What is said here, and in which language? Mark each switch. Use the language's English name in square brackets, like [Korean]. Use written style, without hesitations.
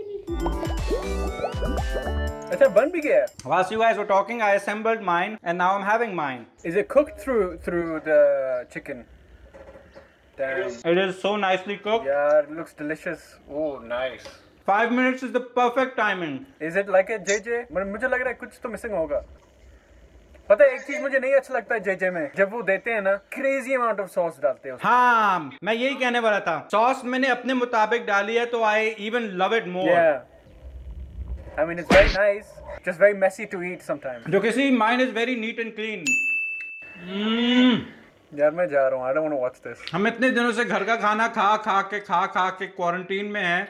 [Hindi] Acha, bun bhi gaya. [English] Whilst you guys were talking, I assembled mine, and now I'm having mine. Is it cooked through the chicken? Damn. It is so nicely cooked. Yeah, it looks delicious. Oh, nice. 5 minutes is the perfect timing. Is it like a JJ? [Hindi] मुझे लग रहा है कुछ तो missing होगा. पता है एक चीज मुझे नहीं अच्छा लगता है जेजे में जब वो देते हैं ना [English] crazy amount of sauce [Hindi] डालते हैं हाँ मैं यही कहने वाला था सॉस मैंने अपने मुताबिक डाली है तो [English] I even love it more यार I mean, it's very nice. Just very messy to eat sometimes. Okay, see, mine is very neat and clean. [Hindi] यार मैं जा रहा हूँ, [English] I don't want to watch this. [Hindi] हम इतने दिनों से घर का खाना खा के क्वारंटीन में हैं.